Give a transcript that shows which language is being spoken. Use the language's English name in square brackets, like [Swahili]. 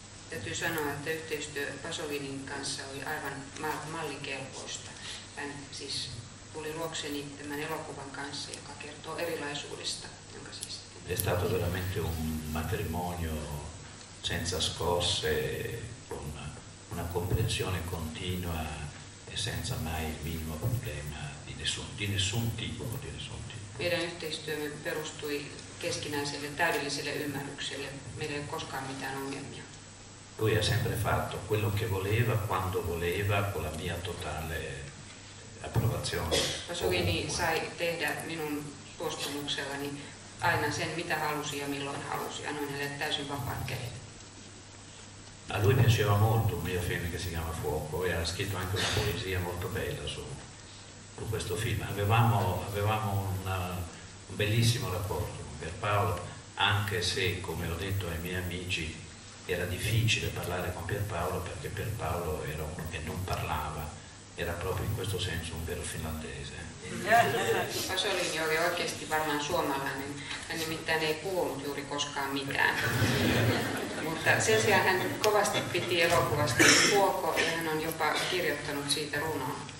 [Finnish] Täytyy sanoa, että yhteistyö Pasolinin kanssa oli aivan mallikelpoista. Hän siis tuli luokseni tämän elokuvan kanssa, joka kertoo erilaisuudesta, jonka siis... [Italian] È stato veramente un matrimonio senza scosse, con una comprensione continua e senza mai il minimo problema di nessun tipo. [Finnish] Meidän yhteistyömme perustui keskinäiselle täydelliselle ymmärrykselle. Meillä ei koskaan mitään ongelmia. [Italian] Lui ha sempre fatto quello che voleva, quando voleva, con la mia totale approvazione. [Finnish] Pasolini sai tehdä minun suostumuksellani aina sen, mitä halusi ja milloin halusi. Annoin hänelle täysin vapaat kädet. [Italian] A lui piaceva molto un mio film che si chiama Fuoco e ha scritto anche una poesia molto bella su. Questo film avevamo un bellissimo rapporto con Pier Paolo, anche se, come ho detto ai miei amici, era difficile parlare con Pier Paolo perché Pier Paolo era uno che non parlava, era proprio in questo senso un vero finlandese. [Finnish] Pasolini oli oikeasti varmaan suomalainen, hän nimittäin ei puhunut juuri koskaan mitään. Mutta sen sijaan hän kovasti piti elokuvasta Fuoco ja hän on jopa kirjoittanut siitä runoa.